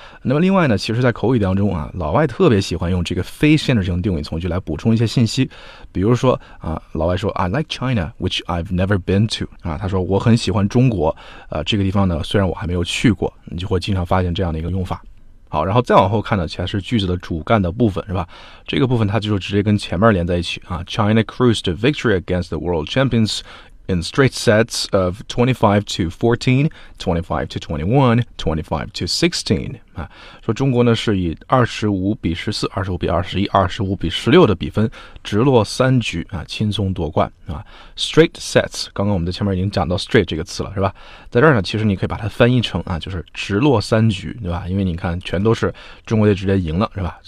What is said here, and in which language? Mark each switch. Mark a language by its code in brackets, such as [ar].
[zh] 那么另外呢，其实在口语当中啊，老外特别喜欢用这个非限制性定语从句来补充一些信息，比如说啊，老外说 [en] I like China which I've never been to [zh] 啊，他说我很喜欢中国，这个地方呢虽然我还没有去过，你就会经常发现这样的一个用法。好，然后再往后看呢，其实是句子的主干的部分，是吧？这个部分它就是直接跟前面连在一起啊， [en] China cruised a victory against the world championsIn straight sets of 25-14, 25-21, 25-16. [zh] 啊，说中国呢是以25-14, 25-21, 25-16的比分直落3局啊，轻松夺冠啊。 Straight sets， 刚刚我们在前面已经讲到 straight 这个词了，是吧？在这儿呢，其实你可以把它翻译成啊，就是直落3局，对吧？因为你看全都是中国队直接赢了，是吧？